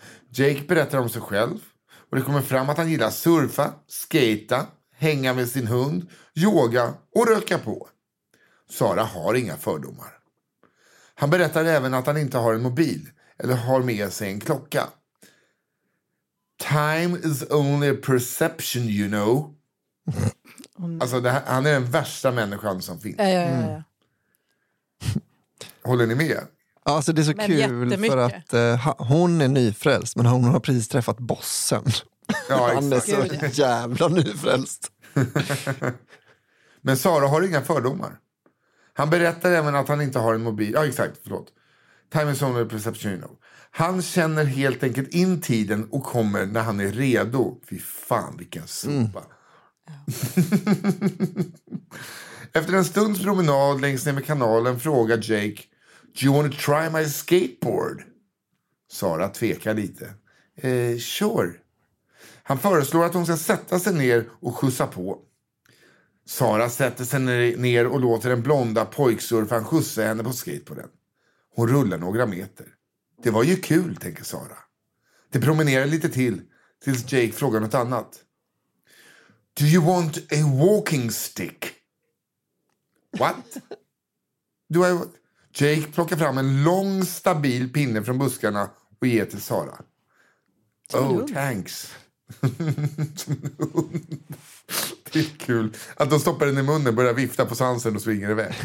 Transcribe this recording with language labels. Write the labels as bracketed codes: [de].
[sv] Jake berättar om sig själv och det kommer fram att han gillar surfa, skata, hänga med sin hund, yoga och röka på. Sara har inga fördomar. Han berättar även att han inte har en mobil eller har med sig en klocka. [en] Time is only a perception, you know. [sv] Alltså, det här, han är den värsta människan som finns. Ja. Mm. Håller ni med? Alltså, det är så men kul för att hon är nyfrälst, men hon har precis träffat bossen. Ja, han är så jävla nyfrälst. Men Sara har inga fördomar. Han berättar även att han inte har en mobil. Ja, exakt, förlåt. [en] Time is only a perception, you know. [sv] Han känner helt enkelt in tiden och kommer när han är redo. Fy fan, vilken sopa. Efter en stunds promenad längs ner med kanalen frågar Jake, [en] do you want to try my skateboard? [sv] Sara tvekar lite. Sure. Han föreslår att hon ska sätta sig ner och skjutsa på. Sara sätter sig ner och låter den blonda pojksurfan skjutsa henne på skateboarden. Hon rullar några meter. Det var ju kul, tänker Sara. Det promenerar lite till, tills Jake frågar något annat. [en] Do you want a walking stick? What? [sv] Jake plockar fram en lång, stabil pinne från buskarna och ger till Sara. [en] Oh, thanks. [sv] Det är kul att de stoppar den i munnen, börjar vifta på svansen och svingar iväg.